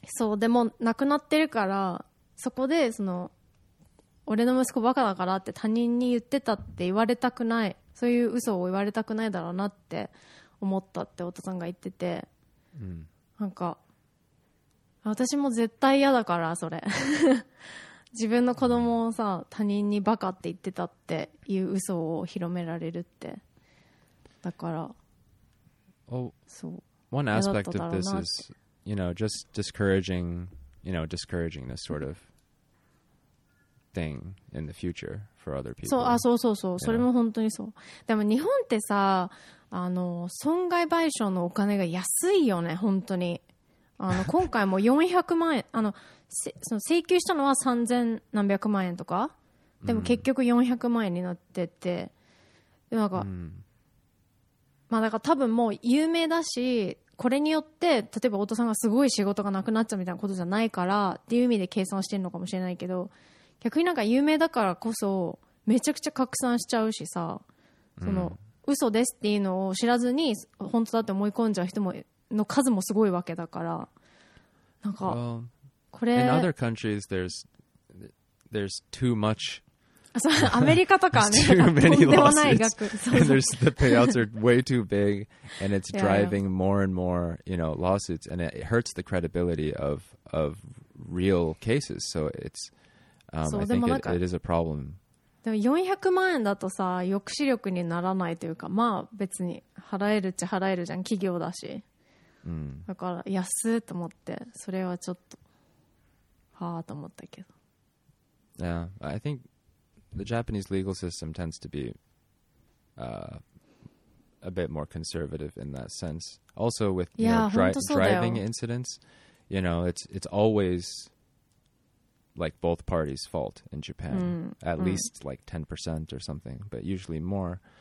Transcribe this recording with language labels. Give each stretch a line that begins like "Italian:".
Japanese: そう、でも亡くなってるから、そこでその俺の息子バカだからって他人に言ってたって言われたくない、そういう嘘を言われたくないだろうなって思ったってお父さんが言ってて、うん、なんか私も絶対嫌だからそれ自分の子供をさ他人にバカって言ってたっていう嘘を広められるって、だから、
English: oh,
Japanese: そう、
English: one aspect of this is, you know, just discouraging, you know, discouraging this sort of thing in the future for other people.
Japanese: そう、あ、そうそうそう、それも本当にそう。でも日本ってさ、あの損害賠償のお金が安いよね、本当に。あの今回も400万円あのその請求したのは3000何百万円とかでも結局400万円になってて、でなんか、まあ、だから多分もう有名だし、これによって例えば太田さんがすごい仕事がなくなっちゃうみたいなことじゃないからっていう意味で計算してるのかもしれないけど、逆になんか有名だからこそめちゃくちゃ拡散しちゃうしさ、その嘘ですっていうのを知らずに本当だって思い込んじゃう人もの数もすごいわけだから、なんか、
English: well,
Japanese: これ
English: in other countries there's there's too much.
Japanese: そう、アメリカとかね、とんでもない額。
English: And there's the payouts are way too big, and it's driving more and more, you know, lawsuits, and it hurts the credibility of real cases. So it's, I think it is a problem.
Japanese: でも400万円だとさ、抑止力にならないというか、まあ別に払えるっちゃ払えるじゃん、企業だし。だから安っと思って、それはちょっと、はぁと思ったけど。
English: Yeah, I think the Japanese legal system tends to be a bit more conservative in that sense. Also with driving incidents, you know, it's always like both parties' fault in Japan, at least like 10% or something, but usually more.